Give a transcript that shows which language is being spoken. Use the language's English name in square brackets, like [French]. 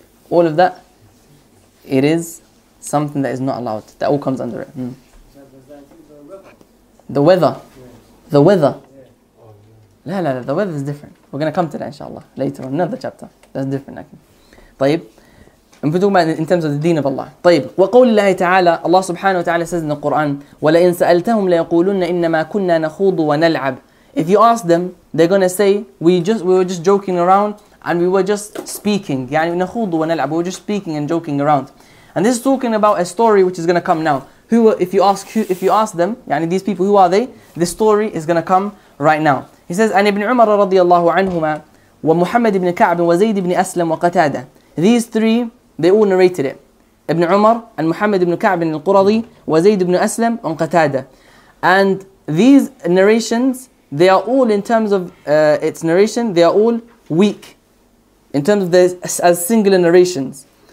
[English] All of that, it is something that is not allowed. That all comes under it. Hmm. The weather. The weather. No, the weather is different. We're going to come to that, inshallah, later on. Another chapter. That's different. Okay. طيب. If we talk about in terms of the deen of Allah. [Arabic] طيب. وقول الله تعالى, [English] Allah subhanahu wa ta'ala says in the Quran, [Arabic] وَلَئِنْ سَأَلْتَهُمْ لَيَقُولُنَّ إِنَّمَا كُنَّا نَخُوضُ وَنَلْعَبُ. [English] If you ask them, they're going to say, we were just joking around and we were just speaking. [Arabic] يعني نَخُوضُ وَنَلْعَبُ. [English] We were just speaking and joking around. And this is talking about a story which is going to come now. If you ask them, يعني these people, who are they? This story is going to come right now. He says, and Ibn Umar [Arabic] رضي الله عنهما [English] ومحمد بن كعب وزيد بن أسلم وقتادة. These three, they all narrated it. Ibn Umar and Muhammad ibn Ka'b ibn al-Quradi, Wazayd ibn Aslam on Qatada. And these narrations, they are all in terms of its narration, they are all weak in terms of this as singular narrations.